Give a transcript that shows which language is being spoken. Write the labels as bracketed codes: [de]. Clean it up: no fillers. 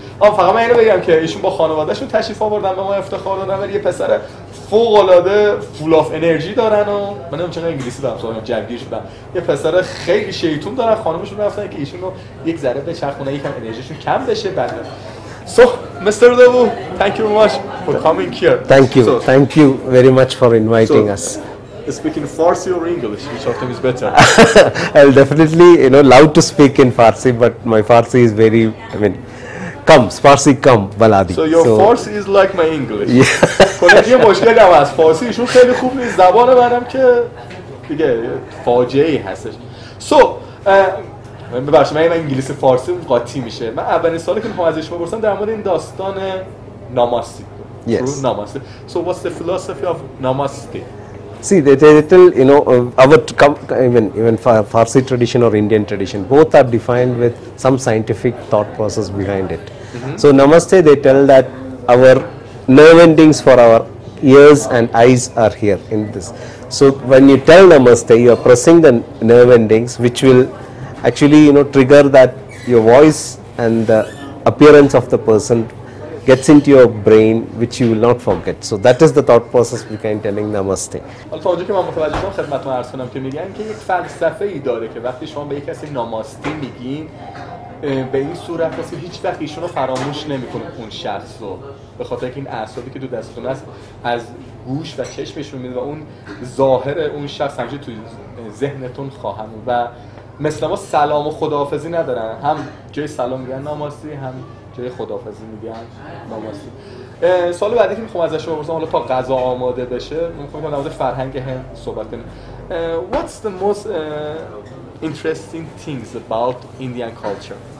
[fa] آه فقط من اینو بگم که ایشون با خانوادهشون تشریف آوردن، به ما افتخار دادن، ولی یه پسر فوق العاده [en] full of انرژی [fa] دارن و من نمیدونم چرا انگلیسی دارم سوال جدی شدم. یه پسر خیلی شیطون دارن، خانومشون رفتن که ایشونو یک ذره بچرخونه، یکم انرژیشون کم بشه. [en] بعد So, Mr. Dabu, thank you very much for coming here. Thank you. So, thank you very much for inviting us. Speaking Farsi or English, which of them is better? I'll definitely, you know, love to speak in Farsi, but my Farsi is very, Farsi come, Baladi. So, your Farsi is like my English. Yeah. But it's a problem with Farsi. It's not very good. It's a problem that So, [fa] من ببخشید من انگلیسی فارسی قاطی میشه. من اولین سوالی که میخوام از شما بپرسم در مورد این داستان ناماستی. [en] Yes. Namaste. So what's the philosophy of namaste? See, they tell you know our even Farsi tradition or Indian tradition, both are defined with some scientific thought process behind it. So namaste, they tell that our nerve endings for our ears and eyes are here in this. So when you tell namaste, you are pressing the nerve endings which will actually trigger that your voice and the appearance of the person gets into your brain which you will not forget. So that is the thought process behind telling namaste. [fa] حالا تا اونجا که من متوجه شدم خدمتتون عرض کنم که میگن که یک فلسفه ای داره که وقتی شما به یک کسی ناماستی میگین به این صورت هست که هیچ وقت ایشون رو فراموش نمیکنه اون شخص رو، به خاطر این اعصابی که دو دستتون است از گوش و چشمش میاد و اون ظاهر اون شخص همیشه توی ذهنتون خواهم و مثل ما سلام و خداحافظی ندارن، هم جای سلام میگن ناماستی، هم جای خداحافظی میگن ناماستی. سوال بعدی که میخوام از شما بپرسم، حالا تا غذا آماده بشه میخوام در مورد فرهنگ هند صحبت کنیم. [en] What's the most interesting things about Indian culture?